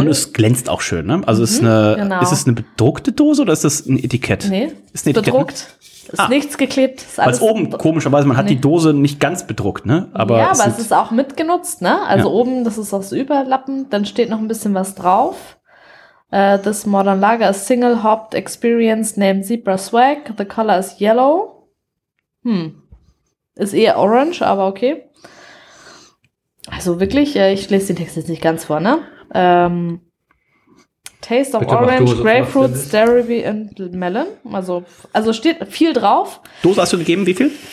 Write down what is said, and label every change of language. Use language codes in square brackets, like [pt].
[de] Und es glänzt auch schön, ne? Also ist, ist es eine bedruckte Dose oder ist das ein Etikett? Nee, ist es bedruckt. Ist nichts geklebt. Weil es oben, komischerweise, man hat die Dose nicht ganz bedruckt, ne? Aber ja, aber es ist auch mitgenutzt, ne? Also oben, das ist auch so überlappend. Dann steht noch ein bisschen was drauf. [en] This modern lager is single hopped experience named Zebra Swag. The color is yellow. [de] Ist eher orange, aber okay. Also wirklich, ich lese den Text jetzt nicht ganz vor, ne? [en] Taste of Orange, Grapefruit, Stevie and Melon. [de] Also steht viel drauf. Dose hast du gegeben, wie viel?